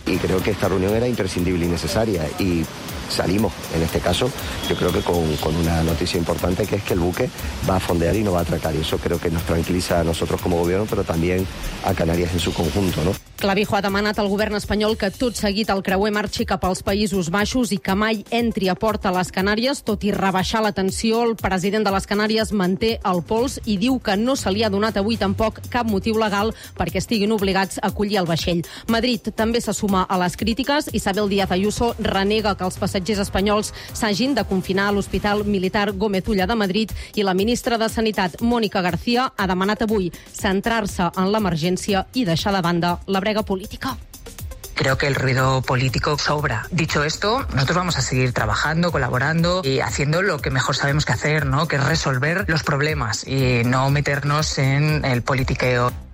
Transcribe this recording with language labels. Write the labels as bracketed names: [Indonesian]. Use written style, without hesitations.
[Catalan] I crec que esta reunió era imprescindible i necessària [Spanish] i salimos, en este caso, yo creo que con una noticia importante, que es que el buque va a fondear y no va a atracar. Y eso creo que nos tranquiliza a nosotros como gobierno, pero también a Canarias en su conjunto, ¿no? [Catalan] Clavijo ha demanat al govern espanyol que tot seguit el creuer marxi cap als Països Baixos i que mai entri a port a les Canàries. Tot i rebaixar la tensió, el president de les Canàries manté el pols i diu que no se li ha donat avui tampoc cap motiu legal perquè estiguin obligats a acollir el vaixell. Madrid també se suma a les crítiques. Isabel Díaz Ayuso renega que els passatgers espanyols s'hagin de confinar a l'Hospital Militar Gómez Ulla de Madrid i la ministra de Sanitat, Mònica García, ha demanat avui centrar-se en l'emergència i deixar de banda la brega política. [Spanish] Creo que el ruido político sobra. Dicho esto, nosotros vamos a seguir trabajando, colaborando y haciendo lo que mejor sabemos que hacer, ¿no? Que es resolver los problemas y no meternos en el politiqueo.